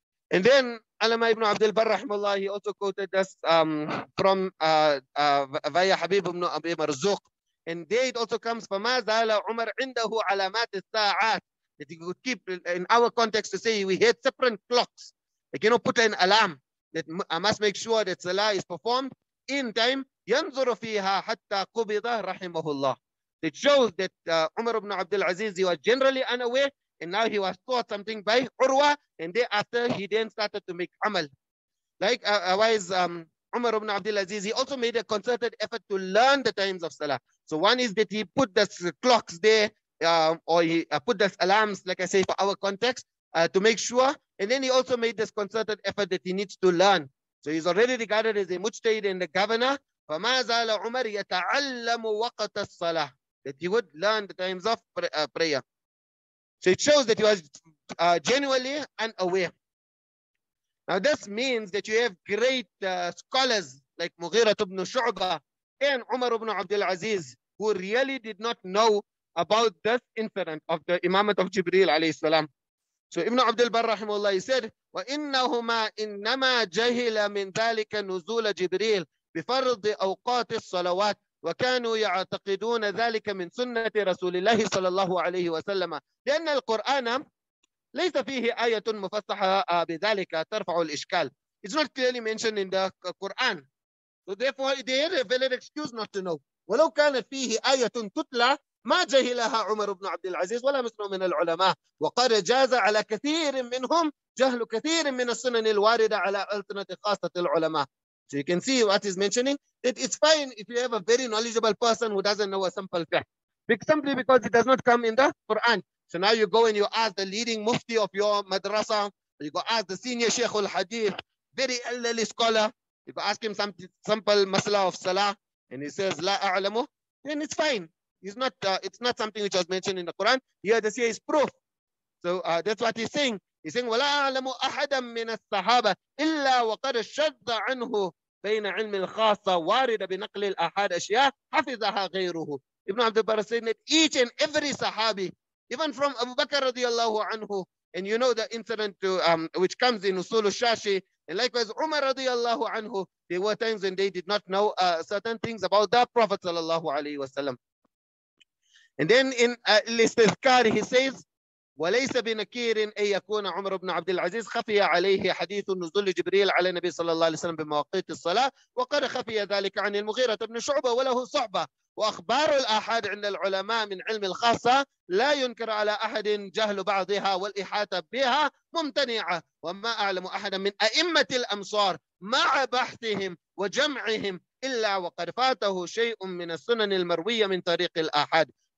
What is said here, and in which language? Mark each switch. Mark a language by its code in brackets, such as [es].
[en] And then Alama ibn Abdul Barr, rahimahullah, he also quoted this from via Habib ibn Abi Marzuq. And there it also comes from [ar] Mazala Umar indahu alamat al-sa'at, [en] that he could keep in our context to say we had separate clocks. Like, you know, put an alarm that I must make sure that salah is performed in time. [ar] ينظر فيها حتى قبض رحمه الله. [en] It shows that Umar ibn Abdul Azīz, he was generally unaware, and now he was taught something by Urwah, and thereafter he then started to make amal. Like Umar ibn Abdul Azīz, he also made a concerted effort to learn the times of Salah. So one is that he put the clocks there, put the alarms, like I say, for our context, to make sure. And then he also made this concerted effort that he needs to learn. So he's already regarded as a mujtahid and a governor. [ar] فَمَا زَالَ عُمَرْ يَتَعَلَّمُ وَقَتَ الصَّلَةِ, [en] that he would learn the times of prayer. So it shows that he was genuinely unaware. Now this means that you have great scholars like Mughira ibn Shu'ba and Umar ibn Abdul Azīz, who really did not know about this incident of the Imamat of Jibreel alayhi salam. So Ibn Abdul Barr rahimahullah, he said, [ar] وَإِنَّهُمَا إِنَّمَا جَهِلَ مِنْ ذَلِكَ نُزُولَ جِبْرِيلِ بفرض أوقات الصلوات وكانوا يعتقدون ذلك من سنة رسول الله صلى الله عليه وسلم لأن القرآن ليس فيه آية مفصحة بذلك ترفع الإشكال. [en] It's not clearly mentioned in the Quran. So therefore they had a valid excuse not to know. [ar] ولو كان فيه آية تتلى ما جهلها عمر بن عبد العزيز ولا مثله من العلماء وقد جاز على كثير منهم جهل كثير من السنن الواردة على ألسنة خاصة العلماء. [en] So you can see what he's mentioning, that it's fine if you have a very knowledgeable person who doesn't know a simple fact, simply because it does not come in the Quran. So now you go and you ask the leading mufti of your madrasa, you go ask the senior sheikh al hadith, very elderly scholar, you go ask him some simple masala of salah, and he says, [ar] la a'lamu, [en] then it's fine. It's not something which was mentioned in the Quran. Here this here is proof. So that's what he's saying. He's saying, [ar] وَلَا أَعْلَمُ أَحَدًا مِّنَ الصَّحَابَةِ إِلَّا وَقَدْ شَدَّ عَنْهُ بَيْنَ عِلْمِ الْخَاصَّةِ وَارِدَ بِنَقْلِ الْأَحَادِ أَشْيَاءَ حَفِظَهَا غَيْرُهُ. [en] Ibn Abdul Barr said that each and every Sahabi, even from Abu Bakr radiallahu anhu, and you know the incident which comes in Usul al-Shashi, and likewise Umar radiallahu anhu, there were times when they did not know certain things about the Prophet sallallahu alayhi wa sallam. And then in al-Istizkar, he says, [ar] وليس بنكير ان يكون عمر بن عبد العزيز خفي عليه حديث نزول جبريل على النبي صلى الله عليه وسلم بمواقيت الصلاه وقد خفي ذلك عن المغيرة بن شعبة وله صعبة واخبار الآحاد عند العلماء من علم الخاصة لا ينكر على احد جهل بعضها والإحاطة بها ممتنعة وما اعلم احدا من ائمة الامصار مع بحثهم وجمعهم الا وقد فاته شيء من السنن المروية من طريق الآحاد.